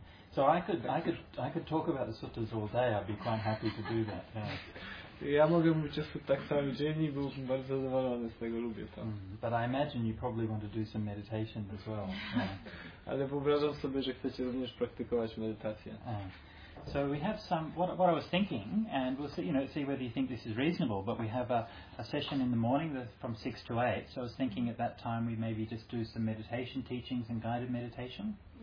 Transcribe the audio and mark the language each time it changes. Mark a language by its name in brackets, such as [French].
[English] So I could talk about the suttas all day. I'd be quite happy to do that. Yeah. [Polish] Ja mogę mówić o suttach cały dzień i byłbym bardzo zadowolony z tego, lubię to. [English] But I imagine you probably want to do some meditation as well. [Polish] Ale wyobrażam sobie, że chcecie również praktykować medytację. [English] So we have some, what I was thinking, and we'll see, you know, see whether you think this is reasonable, but we have a session in the morning from 6 to 8, so I was thinking at that time we maybe just do some meditation teachings and guided meditation.